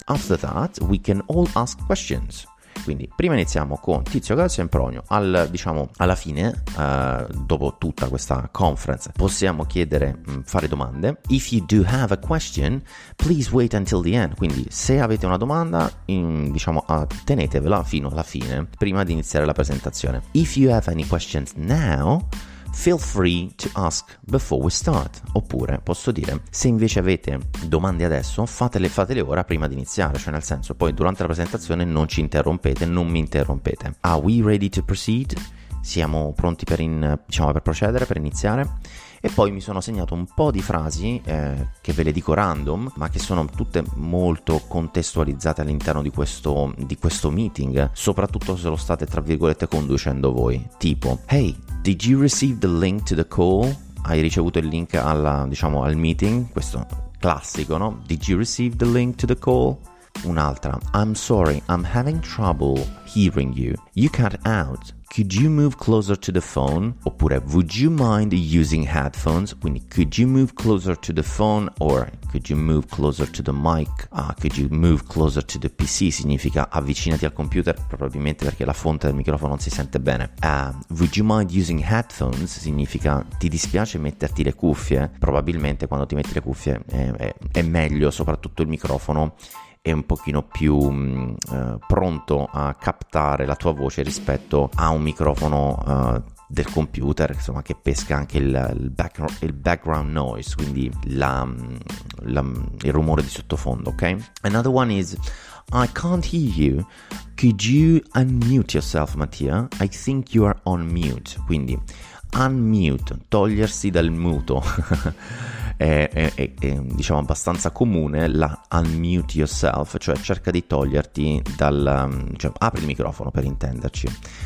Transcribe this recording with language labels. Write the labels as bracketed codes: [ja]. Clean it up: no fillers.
[en] After that, we can all ask questions. [it] Quindi prima iniziamo con Tizio, Grazia e Impronio. Al, diciamo, alla fine, dopo tutta questa conference, possiamo chiedere, fare domande. [en] If you do have a question, please wait until the end. [it] Quindi se avete una domanda, diciamo, tenetevela fino alla fine, prima di iniziare la presentazione. [en] If you have any questions now, feel free to ask before we start. [it] Oppure posso dire: se invece avete domande adesso, fatele ora prima di iniziare, cioè nel senso, poi durante la presentazione non ci interrompete, non mi interrompete. [en] Are we ready to proceed? [it] Siamo pronti per diciamo, per procedere, per iniziare? E poi mi sono segnato un po' di frasi che ve le dico random, ma che sono tutte molto contestualizzate all'interno di questo meeting, soprattutto se lo state, tra virgolette, conducendo voi. Tipo: [en] Hey, did you receive the link to the call? [it] Hai ricevuto il link alla, diciamo, al meeting? Questo classico, no? [en] Did you receive the link to the call? [it] Un'altra: [en] I'm sorry, I'm having trouble hearing you. You cut out. Could you move closer to the phone? [it] Oppure: [en] Would you mind using headphones? [it] Quindi: [en] Could you move closer to the phone? Or: Could you move closer to the mic? Could you move closer to the PC? [it] Significa: avvicinati al computer, probabilmente perché la fonte del microfono non si sente bene. [en] Would you mind using headphones? [it] Significa: ti dispiace metterti le cuffie? Probabilmente quando ti metti le cuffie è meglio, soprattutto il microfono è un pochino più pronto a captare la tua voce rispetto a un microfono del computer, insomma, che pesca anche il background noise, quindi il rumore di sottofondo, ok? [en] Another one is: I can't hear you. Could you unmute yourself, Mattia? I think you are on mute. [it] Quindi unmute, togliersi dal muto. È diciamo abbastanza comune la unmute yourself, cioè cerca di toglierti dal, cioè apri il microfono per intenderci.